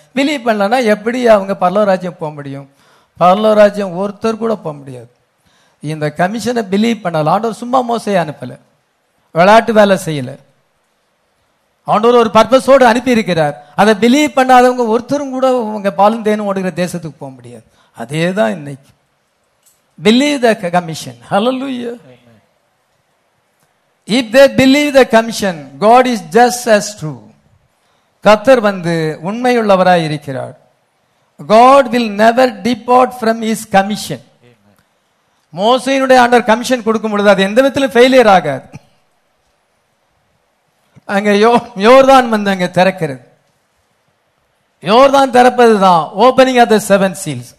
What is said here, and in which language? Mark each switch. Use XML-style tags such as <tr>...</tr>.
<ta>Believe பண்ணலன்னா எப்படி அவங்க பரலோக ராஜ்யம் போக முடியும்? பரலோக ராஜ்யம் ஒருத்தர் கூட போக முடியாது. இந்த கமிஷனை பிலீவ் பண்ணல, ஆண்டவர் சும்மா மோசையை அனுப்பல, விளையாட்டு வேலை செய்யல, ஆண்டவர் ஒரு பர்பஸோடு அனுப்பியிருக்கிறார். அதை பிலீவ் பண்ணாதவங்க ஒருத்தரும் கூட அவங்க பாலும் தேனும் ஓடுகிற தேசத்துக்கு போக முடியாது. அதே தான் இன்னைக்கு.</ta> <en>Believe the commission. Hallelujah. Amen. If they believe the commission, God is just as true.</en> <ta>கர்த்தர் வந்து உண்மையுள்ளவராய் இருக்கிறார்.</ta> <en>God will never depart from his commission.</en> <ta>மோசேயினுடைய ஆண்டவர் கமிஷன் கொடுக்கும்பொழுது அது எந்த விதத்திலும் ஃபெயிலியர் ஆகாது. அங்க யோர்தான் வந்து அங்க திறக்கிறது, யோர்தான் திறப்பது தான்</ta> <en>Opening of the seven seals.</en>